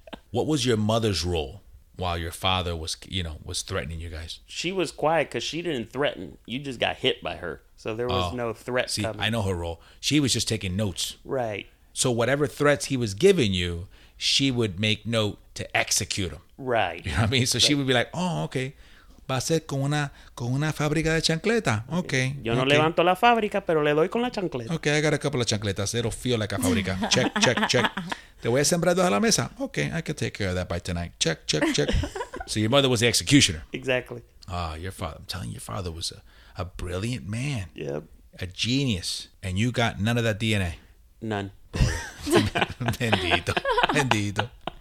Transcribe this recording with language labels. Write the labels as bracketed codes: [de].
[en] What was your mother's role while your father was, you know, was threatening you guys? She was quiet because she didn't threaten. You just got hit by her. So there was no threat coming. I know her role. She was just taking notes. Right. So whatever threats he was giving you, she would make note to execute them. Right. You know what I mean? So she would be like, oh, okay. [es] Va a ser con una fábrica de chancleta. [en] Okay. [es] Yo no levanto la fábrica, pero le doy con la chancleta. [en] Okay, I got a couple of chancletas. It'll feel like a fábrica. Check, check, check. [es] Te voy a sembrar dos a la mesa. [en] Okay, I can take care of that by tonight. Check, check, check. So your mother was the executioner. Exactly. Ah, your father. I'm telling you, your father was a brilliant man. Yep. A genius. And you got none of that DNA. None. [es] Bendito. Bendito.